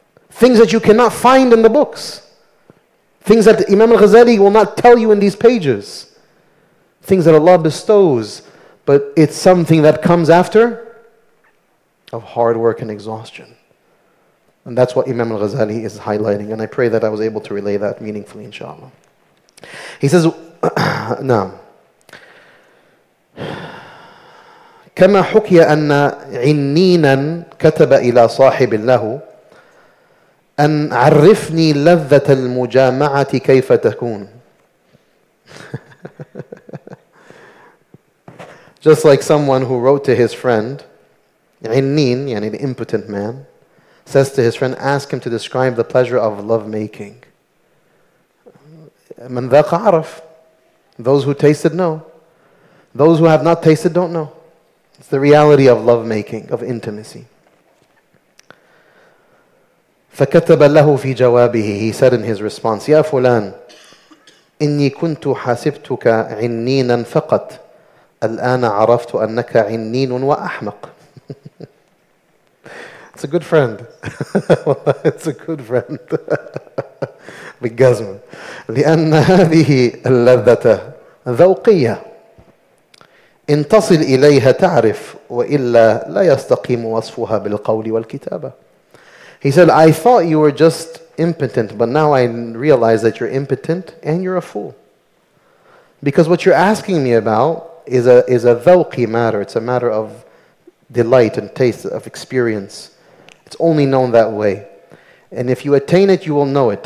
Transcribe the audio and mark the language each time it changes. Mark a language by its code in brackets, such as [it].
[en] Things that you cannot find in the books. Things that Imam al-Ghazali will not tell you in these pages. Things that Allah bestows, but it's something that comes after of hard work and exhaustion. And that's what Imam al-Ghazali is highlighting, and I pray that I was able to relay that meaningfully, inshallah. He says, now, [ar] كَمَا حُكِيَ أَنَّ عِنِّينًا كَتَبَ إِلَىٰ صَاحِبٍ لَهُ أَنْ عَرِّفْنِي لَذَّةَ الْمُجَامَعَةِ كَيْفَ تَكُونَ. [en] Just like someone who wrote to his friend, Innin, yani the impotent man, says to his friend, ask him to describe the pleasure of lovemaking. [ar] Man dhaqa araf. [en] Those who tasted know. Those who have not tasted don't know. It's the reality of lovemaking, of intimacy. [ar] فَكَتَبَ لَهُ فِي جَوَابِهِ. [en] He said in his response, [ar] يَا فُلَانِ إِنِّي كُنْتُ حَسِبْتُكَ عِنِّينًا فَقَطْ الآن عرفت أنك عنين وأحمق. [en] It's a good friend. It's a good friend. [ar] بالجزم. لأن هذه اللذة ذوقية. إن تصل إليها تعرف وإلا لا يستقيم وصفها بالقول والكتابة. [en] He said, I thought you were just impotent, but now I realize that you're impotent and you're a fool. Because what you're asking me about is a ذوقي matter. It's a matter of delight and taste of experience. It's only known that way. And if you attain it, you will know it.